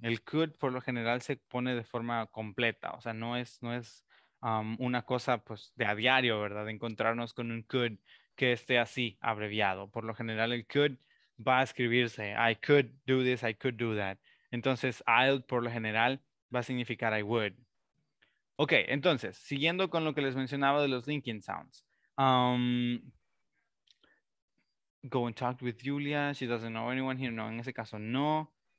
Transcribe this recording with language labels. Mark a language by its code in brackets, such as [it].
[es] El could por lo general se pone de forma completa, o sea, no es una cosa, pues, de a diario, ¿verdad? De encontrarnos con un could que esté así, abreviado. Por lo general el could va a escribirse [en] I could do this, I could do that. [es] Entonces I'll por lo general va a significar [en] I would. [es] Ok, entonces, siguiendo con lo que les mencionaba de los linking sounds. [en] Go and talk with Julia. She doesn't know anyone here. [es] No, en ese caso, no.